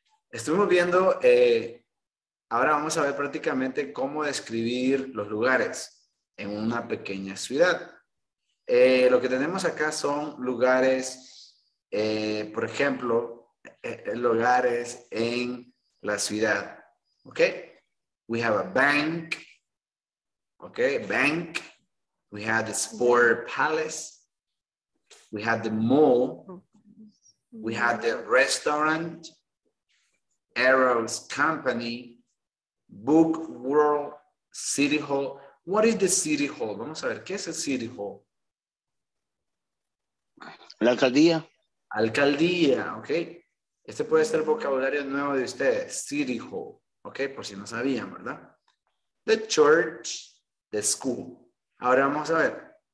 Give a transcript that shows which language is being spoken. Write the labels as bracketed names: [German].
[Spanish] Estuvimos viendo, ahora vamos a ver prácticamente cómo describir los lugares en una pequeña ciudad. Lo que tenemos acá son lugares, por ejemplo, lugares en la ciudad. [English] Okay, we have a bank. Okay, bank, we had the sport palace, we had the mall, we had the restaurant, Arrows Company, Book World, City Hall. What is the City Hall? [Spanish] Vamos a ver, ¿qué es el City Hall? La alcaldía. Alcaldía, ¿ok? Este puede ser vocabulario nuevo de ustedes. City Hall, ¿ok? Por si no sabían, ¿verdad? The church, the school. Ahora vamos a ver.